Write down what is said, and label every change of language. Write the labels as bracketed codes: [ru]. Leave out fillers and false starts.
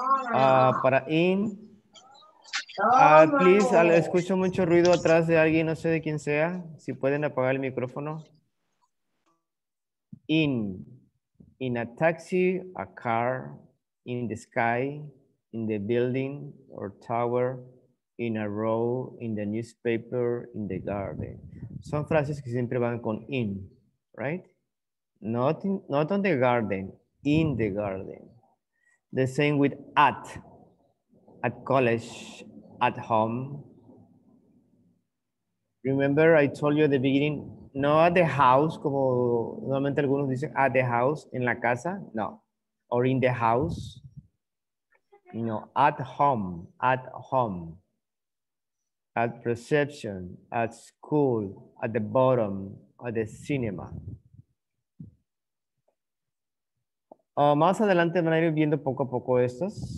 [es] Para in, [en] please, [es] escucho mucho ruido atrás de alguien, no sé de quién sea. Si pueden apagar el micrófono. [en] In a taxi, a car, in the sky, in the building or tower, in a row, in the newspaper, in the garden. [es] Son frases que siempre van con in, [en] right? Not on the garden, in the garden. The same with at college, at home. Remember I told you at the beginning, no at the house, [es] como normalmente algunos dicen, [en] at the house, [es] en la casa, no. [en] Or in the house, no, at home. At reception, at school, at the bottom, at the cinema. [es] Más adelante van a ir viendo poco a poco estas.